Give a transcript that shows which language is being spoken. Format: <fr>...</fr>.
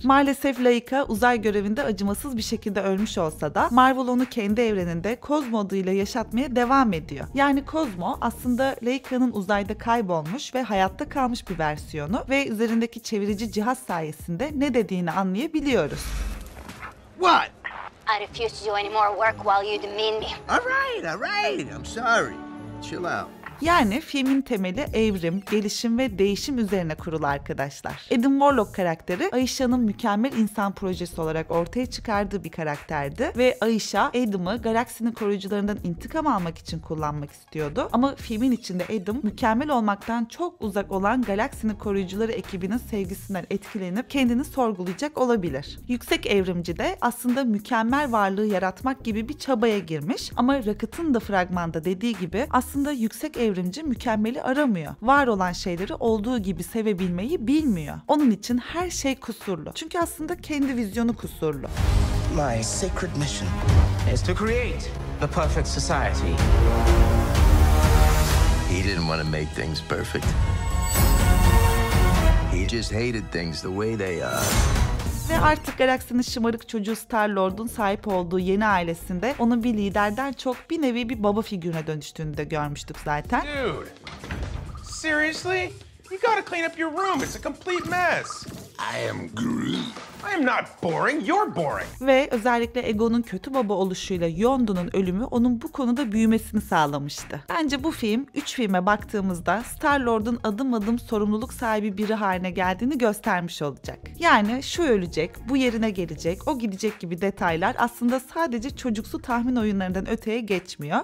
<tr>Maalesef Laika uzay görevinde acımasız bir şekilde ölmüş olsa da Marvel onu kendi evreninde Cosmo adıyla yaşatmaya devam ediyor. Yani Cosmo aslında Laika'nın uzayda kaybolmuş ve hayatta kalmış bir versiyonu ve üzerindeki çevirici cihaz sayesinde ne dediğini anlayabiliyoruz.</tr> <en>What? I refuse to do any more work while you demean me. All right, I'm sorry. Chill out.</en> <tr>Yani filmin temeli evrim, gelişim ve değişim üzerine kurulu arkadaşlar. Edwin Warlock karakteri Aisha'nın mükemmel insan projesi olarak ortaya çıkardığı bir karakterdi. Ve Aisha, Adam'ı galaksinin koruyucularından intikam almak için kullanmak istiyordu. Ama filmin içinde Adam, mükemmel olmaktan çok uzak olan galaksinin koruyucuları ekibinin sevgisinden etkilenip kendini sorgulayacak olabilir. Yüksek evrimci de aslında mükemmel varlığı yaratmak gibi bir çabaya girmiş. Ama Rocket'ın da fragmanda dediği gibi aslında yüksek evrimci mükemmeli aramıyor. Var olan şeyleri olduğu gibi sevebilmeyi bilmiyor. Onun için her şey kusurlu. Çünkü aslında kendi vizyonu kusurlu.</tr> <en>My sacred mission is to create the perfect society. He didn't want to make things perfect. He just hated things the way they are.</en> <tr>Ve artık galaksinin şımarık çocuğu Star-Lord'un sahip olduğu yeni ailesinde onu bir liderden çok bir nevi bir baba figürüne dönüştüğünü de görmüştük zaten.</tr> <en>Dude, seriously? You gotta clean up your room. It's a complete mess. I am Groot. I am not boring, you're boring.</en> <tr>Ve özellikle Egon'un kötü baba oluşuyla Yondu'nun ölümü onun bu konuda büyümesini sağlamıştı. Bence bu film, 3 filme baktığımızda Star-Lord'un adım adım sorumluluk sahibi biri haline geldiğini göstermiş olacak. Yani şu ölecek, bu yerine gelecek, o gidecek gibi detaylar aslında sadece çocuksu tahmin oyunlarından öteye geçmiyor.</tr>